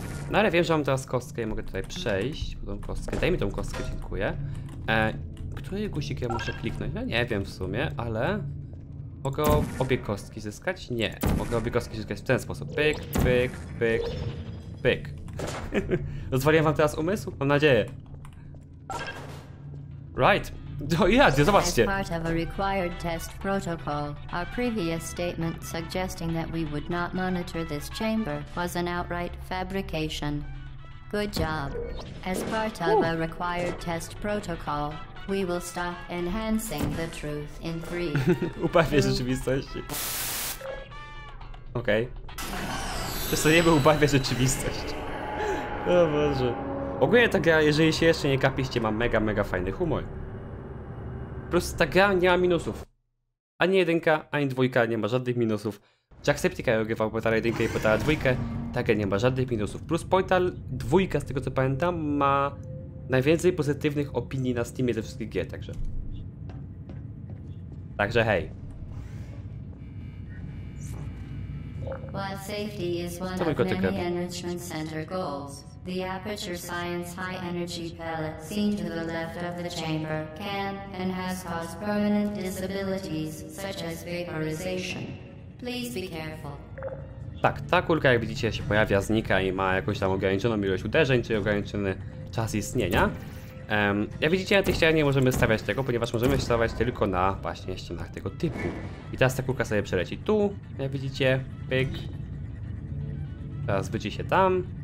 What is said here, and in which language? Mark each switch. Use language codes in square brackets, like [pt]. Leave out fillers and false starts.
[pl] No ale wiem, że mam teraz kostkę i mogę tutaj przejść. Tą kostkę. Daj mi tą kostkę, dziękuję. Który guzik ja muszę kliknąć? No nie wiem w sumie, ale... Mogę obie kostki zyskać? Nie. Mogę obie kostki zyskać w ten sposób. Pyk, pyk, pyk, pyk. Rozwaliłem wam teraz umysł? Mam nadzieję. Right. No i radio, zobaczcie. [en] As part of a required test protocol, our previous statement suggesting that we would not monitor this chamber was an outright fabrication. Good job. As part of a required test protocol, we will stop enhancing the truth in 3. [pl] Upawię rzeczywistości. Okej. Okay. Przestaniemy upawiać rzeczywistość. O Boże. Ogólnie ta gra, jeżeli się jeszcze nie kapiście, ma mega, mega fajny humor. Plus ta gra nie ma minusów. Ani jedynka, ani dwójka nie ma żadnych minusów. Jacksepticeye ogrywał Portal 1 i Portal 2, tak nie ma żadnych minusów. Plus Portal 2, z tego co pamiętam, ma najwięcej pozytywnych opinii na Steamie ze wszystkich gier, także. Także hej. [en] While safety is one of many enrichment center goals, the Aperture Science High Energy Pellet seen to the left of the chamber can and has caused permanent disabilities such as vaporization. Please be careful. [pl] Tak, ta kulka jak widzicie się pojawia, znika i ma jakąś tam ograniczoną ilość uderzeń, czyli ograniczony czas istnienia. Jak widzicie, na tej ścianie nie możemy stawiać tego, ponieważ możemy stawiać tylko na właśnie ścianach tego typu. I teraz ta kulka sobie przeleci tu, jak widzicie, pyk. Teraz wróci się tam.